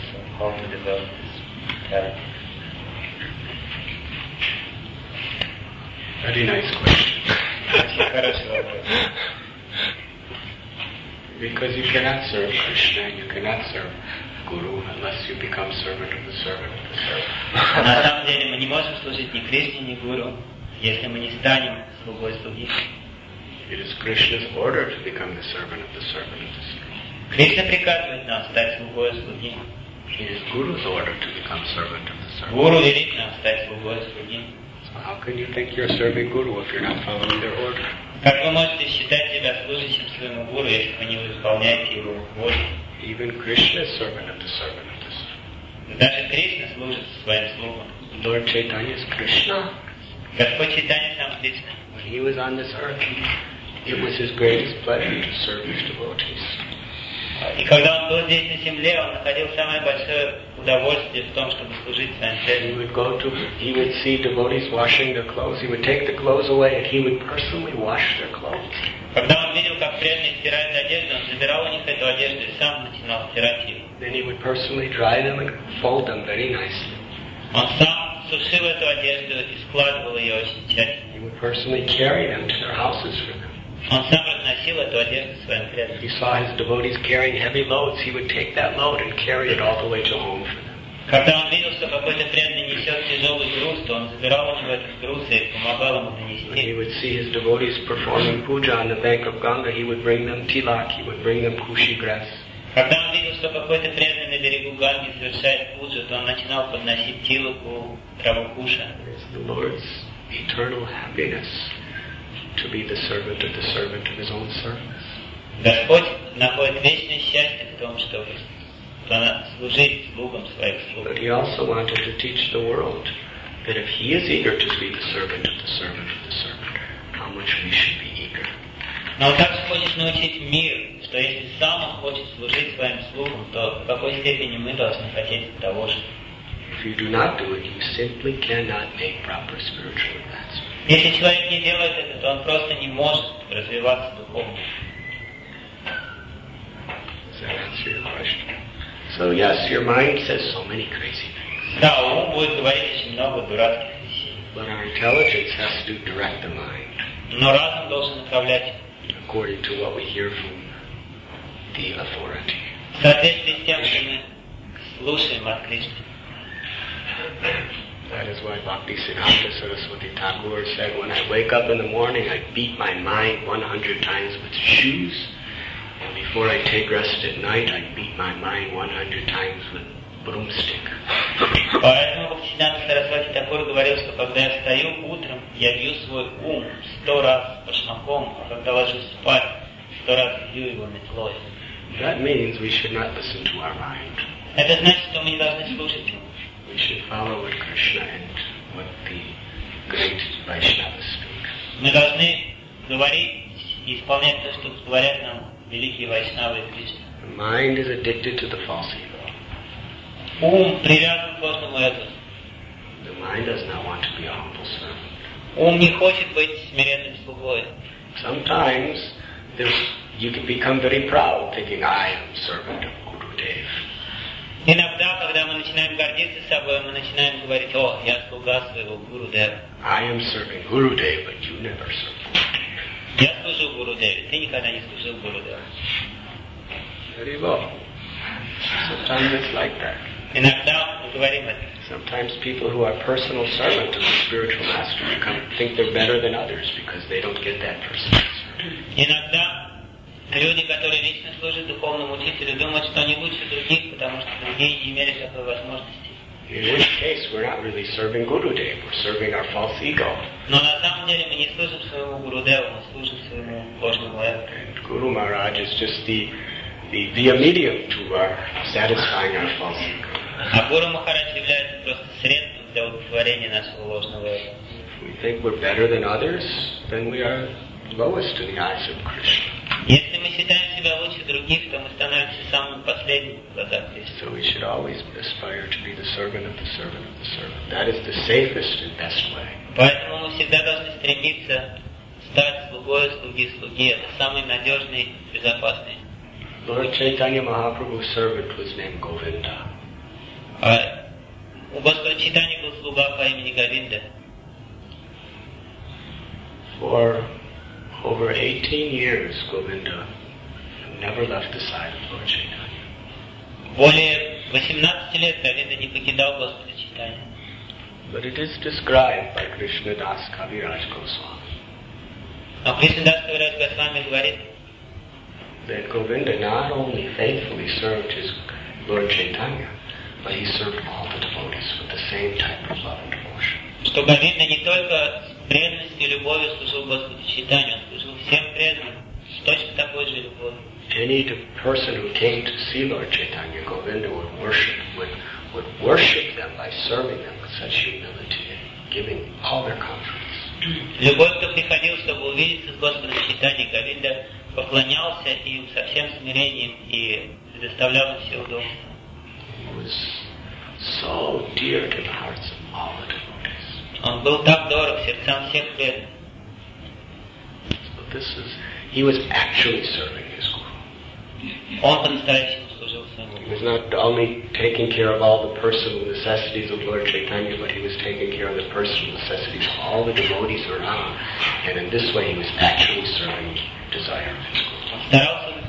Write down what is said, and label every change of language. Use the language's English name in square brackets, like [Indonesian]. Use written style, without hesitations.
[English] So how to develop this mentality? Very nice question. because you cannot serve Krishna and you cannot serve Guru unless you become servant of the servant of the servant. [Russian] На самом деле мы не можем служить ни Кришне, ни Гуру, если мы не станем слугой слуги. [English] It is Krishna's order to become the servant of the servant of the servant. [Russian] Кришна приказывает нам стать слугой слуги. [English] It is Guru's order to become servant of the servant. [Russian] Гуру велит нам стать слугой слуги. [English] So how can you think you're serving Guru if you're not following their order? [Russian] Как вы можете считать себя служащим своему Гуру, если вы не выполняете его волю? [English] Even Krishna is servant of the servant of the servant. [Russian] Даже Кришна служит своим слугам. [English] Lord Chaitanya is Krishna. [Russian] Господь Чайтанья сам Кришна. [English] When he was on this earth, it was his greatest pleasure to serve his devotees. [Russian] И когда он был здесь на земле, он находил самое большое удовольствие в том, чтобы служить своим преданным. [English] He would go to, he would see devotees washing their clothes. He would take the clothes away, and he would personally wash their clothes. [Russian] Когда он видел, как преданные стирают одежду, он забирал у них эту одежду и сам начинал стирать ее. [English] Then he would personally dry them and fold them very nicely. [Russian] Он сам сушил эту одежду и складывал ее очень тщательно. [English] He would personally carry them to their houses for them. [Russian] Он сам разносил эту одежду своим преданным. [English] He saw his devotees carrying heavy loads. He would take that load and carry it all the way to home for them. [Russian] Когда он видел, что какой-то преданный несет тяжелый груз, то он забирал у него этот груз и помогал ему донести. [English] When he would see his devotees performing puja on the bank of Ganga, he would bring them tilak, he would bring them kushi grass. [Russian] Когда он видел, что какой-то преданный на берегу Ганги совершает пуджу, то он начинал подносить тилаку, траву куша. [English] It's the Lord's eternal happiness to be the servant of the servant of his own service. [Russian] Господь находит вечное счастье в том, чтобы служить слугам своих слуг. [English] But he also wanted to teach the world that if he is eager to be the servant of the servant of the servant, how much we should be eager. [Russian] Но он также хочет научить мир, что если сам он хочет служить своим слугам, то в какой степени мы должны хотеть того же. [English] If you do not do it, you simply cannot make proper spiritual advancement. [Russian] Если человек не делает это, то он просто не может развиваться духовно. [English] Does that answer your question? So yes, your mind says so many crazy things. [Russian] Да, ум будет говорить очень много дурацких вещей. [English] But our intelligence has to direct the mind. [Russian] Но разум должен направлять. [English] According to what we hear from the authority. [Russian] В соответствии с тем, что мы слушаем от Кришны. [English] That is why Bhaktisiddhanta Saraswati Thakur said, when I wake up in the morning, I beat my mind 100 times with shoes. And before I take rest at night, I beat my mind 100 times with broomstick. [Russian] Поэтому Бхактисиддханта Сарасвати Такур говорил, что когда я встаю утром, я бью свой ум 100 раз башмаком, а когда ложусь спать, 100 раз бью его метлой. [English] That means we should not listen to our mind. [Russian] Это значит, что мы не должны слушать его. [English] We should follow what Krishna and what the great Vaishnavas speak. [Russian] Мы должны говорить и исполнять то, что говорят нам великие Вайшнавы и Кришна. [English] The mind is addicted to the false ego. [Russian] Ум привязан к ложному эго. [English] The mind does not want to be a humble servant. [Russian] Ум не хочет быть смиренным слугой. [English] Sometimes you can become very proud, thinking I am servant of Guru Dev. [Russian] Иногда, когда мы начинаем гордиться собой, мы начинаем говорить, о, я слуга своего Гуру Дева. [English] I am serving Guru Dev, but you never serve Guru Dev. [Russian] Я служу Гуру Деве, ты никогда не служил Гуру Деве. [English] Very well. Sometimes it's like that. [Russian] Иногда мы говорим это. [English] Sometimes people who are personal servants of the spiritual master become, think they're better than others because they don't get that personal service. [Russian] Иногда люди, которые лично служат духовному учителю, думают, что они лучше других, потому что другие не имели такой возможности. [English] In which case, we're not really serving Guru Dev, we're serving our false ego. [Russian] Но на самом деле мы не служим своему Гуру Деву, мы служим своему ложному эго. [English] And Guru Maharaj is just the medium to our satisfying our false ego. [Russian] А Гуру Махарадж является просто средством для удовлетворения нашего ложного эго. [English] If we think we're better than others, then we are lowest in the eyes of Krishna. [Russian] Если мы считаем себя лучше других, то мы становимся самым последним в глазах Кришны. [English] So we should always aspire to be the servant of the servant of the servant. That is the safest and best way. [Russian] Поэтому мы всегда должны стремиться стать слугой слуги слуги. Это самый надежный, безопасный. [English] Lord Chaitanya Mahaprabhu's servant was named Govinda. [Russian] У Господа Чайтаньи был слуга по имени Говинда. [English] For over 18 years, Govinda never left the side of Lord Chaitanya. [Russian] Более 18 лет Кавида не покидал Господа Чайтанья. [English] But it is described by Krishna Das Kaviraj Goswami. [Russian] А Кришна Дас Кавираж Госвами говорит, [English] that Govinda not only faithfully served his Lord Chaitanya, but he served all the devotees with the same type of love and devotion. [Russian] Что Говинда не только с преданностью и любовью служил Господу Чайтанью, он служил всем преданным с точно такой же любовью. [English] Any person who came to see Lord Chaitanya, Govinda would worship them by serving them with such humility and giving all their confidence. [Russian] Любой, кто приходил, чтобы увидеться с Господом Чайтанья, Говинда поклонялся им со всем смирением и предоставлял им все удобства. [English] He was so dear to the hearts of all the devotees. [Russian] Он был так дорог сердцам всех преданных. [English] So this is, he was actually serving his guru. He was not only taking care of all the personal necessities of Lord Chaitanya, but he was taking care of the personal necessities of all the devotees around. And in this way, he was actually serving desire.